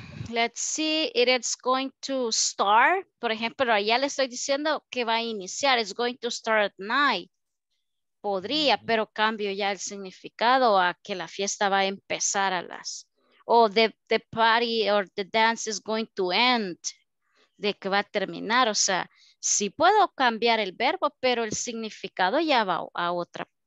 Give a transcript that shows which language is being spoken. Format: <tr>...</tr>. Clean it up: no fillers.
<en>Let's see. It is going to start.</en> <es>Por ejemplo, allá le estoy diciendo que va a iniciar.</es> <en>It's going to start at night.</en> <es>Podría, pero cambio ya el significado a que la fiesta va a empezar a las...</es> <en>O the party or the dance is going to end.</en> <es>De que va a terminar. O sea, sí puedo cambiar el verbo, pero el significado ya va a otra...</es>